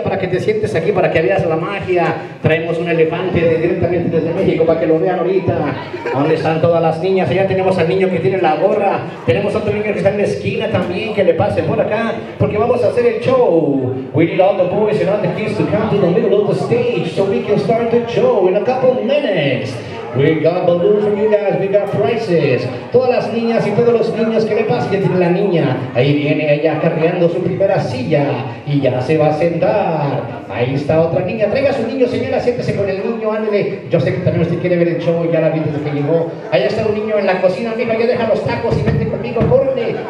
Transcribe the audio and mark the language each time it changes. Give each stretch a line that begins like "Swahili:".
Spanish: Te sientes aquí para que veas la magia. Traemos un elefante directamente desde México para que lo vean ahorita. ¿Dónde están todas las niñas? Allá tenemos al niño que tiene la gorra. Tenemos otro niño que está en la esquina también, que le pase por acá, porque vamos a hacer el show.
English: We need all the boys and all the kids to come to the middle of the stage so we can start the show in a couple minutes. We got balloons for you guys, we got prizes.
Spanish: Todas las niñas y todos los niños, que le pase, que tiene la niña. Ahí viene ella cargando su primera silla y ya se va a sentar. Ahí está otra niña, traiga a su niño, señora, siéntese con el niño, ándele. Yo sé que también usted quiere ver el show, ya la vi desde que llegó. Allá está un niño en la cocina, mija, ya deja los tacos y vente conmigo, córrele.